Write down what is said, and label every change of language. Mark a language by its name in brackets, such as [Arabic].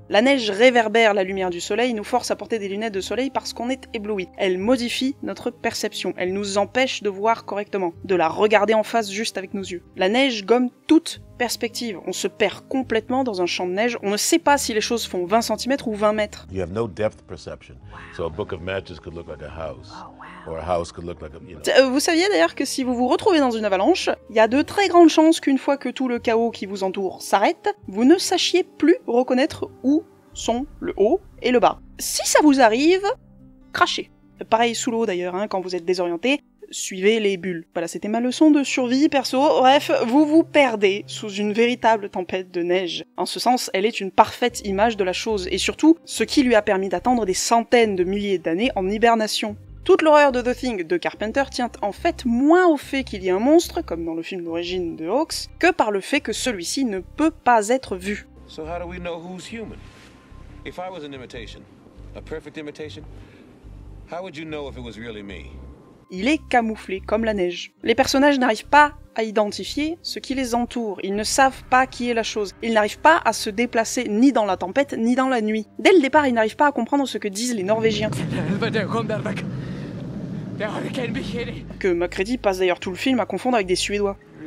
[French] La neige réverbère la lumière du soleil, nous force à porter des lunettes de soleil parce qu'on est ébloui. Elle modifie notre perception, elle nous empêche de voir correctement, de la regarder en face juste avec nos yeux. La neige gomme toute perspective, on se perd complètement dans un champ de neige, on ne sait pas si les choses font 20 cm ou 20 mètres. [English] You have no depth perception. So a book of matches could look like a house. [French] Vous saviez d'ailleurs que si vous vous retrouvez dans une avalanche, il y a de très grandes chances qu'une fois que tout le chaos qui vous entoure s'arrête, vous ne sachiez plus reconnaître où sont le haut et le bas. Si ça vous arrive, crachez. Pareil sous l'eau d'ailleurs, hein, quand vous êtes désorienté, suivez les bulles. Voilà, c'était ma leçon de survie perso. Bref, vous vous perdez sous une véritable tempête de neige. En ce sens, elle est une parfaite image de la chose, et surtout, ce qui lui a permis d'attendre des centaines de milliers d'années en hibernation. Toute l'horreur de The Thing de Carpenter tient en fait moins au fait qu'il y ait un monstre, comme dans le film d'origine de Hawks, que par le fait que celui-ci ne peut pas être vu. [English] So how do we know who's human? If I was an imitation, a perfect imitation, how would you know if it was really me? [French] Il est camouflé comme la neige. Les personnages n'arrivent pas à identifier ce qui les entoure, ils ne savent pas qui est la chose, ils n'arrivent pas à se déplacer ni dans la tempête ni dans la nuit. Dès le départ, ils n'arrivent pas à comprendre ce que disent les Norvégiens. Que McCready passe d'ailleurs tout le film à confondre avec des Suédois.